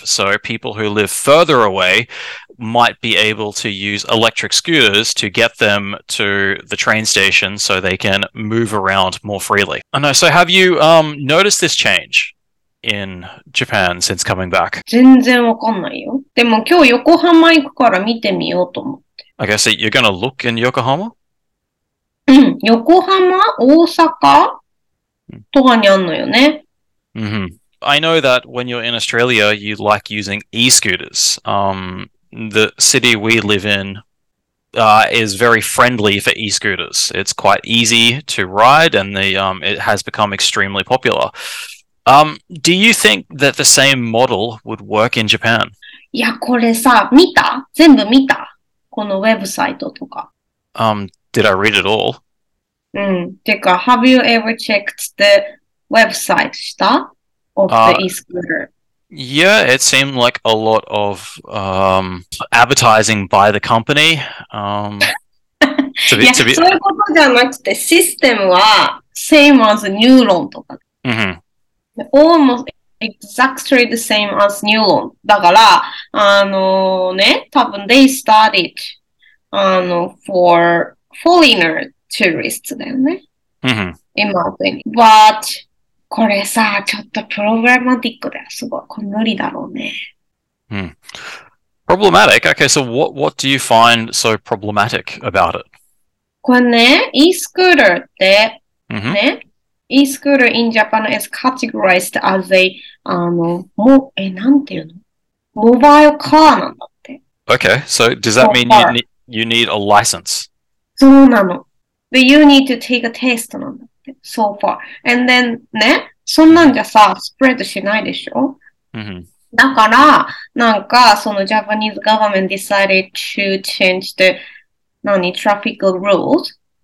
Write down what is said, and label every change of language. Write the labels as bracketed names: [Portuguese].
[English] So people who live further away might be able to use electric scooters to get them to the train station so they can move around more freely. I know. So have you noticed this change in Japan since coming back? [Japanese] 全然わかんないよ。でも今日横浜行くから見てみようと思って。 [English] Okay, so you're gonna look in Yokohama? [Japanese] うん、横浜、大阪とかにあんのよね。 [English] Mm-hmm. I know that when you're in Australia, you like using e-scooters. The city we live in is very friendly for e-scooters. It's quite easy to ride, and it has become extremely popular. Do you think that the same model would work in Japan? [Japanese] いや、これさ、見た？全部見た？このウェブサイトとか。 [English] Did I read it all? [Japanese] うん。てか、 [English] Have you ever checked the website [Japanese] した？ [English] Of the e-scooter? Yeah, it seemed like a lot of advertising by the company. [Japanese] そういうことじゃなくて、システムは [English] same as [Japanese] Neuron とか。 [English] Mm-hmm. Almost exactly the same as Neuron. [Japanese] だから、ね、多分 [English] they started for foreigner tourists [Japanese] だよね。 [English] Mm-hmm. Imagine. But... [Japanese] これさ、ちょっとプログラマティックだよ。すごい。これ無理だろうね。 [English] Problematic? Okay, so what do you find so problematic about it? [Japanese] これね、 [English] e-scooter [Japanese] って、ね、 [English] e-scooter in Japan is categorized as [Japanese] なんていうの？モバイルカーなんだって。 [English] Okay, so does that mean you need a license? [Japanese] そうなの。で、 [English] you need to take a test [Japanese] なんだ。 [English] So far. And then, [Japanese] ね、そんなんじゃさ、スプレッドしないでしょ、 [English] mm-hmm. [Japanese] だから、なんか、その [English] Japanese government decided to change the, [Japanese] 何、 [English] traffic rules.、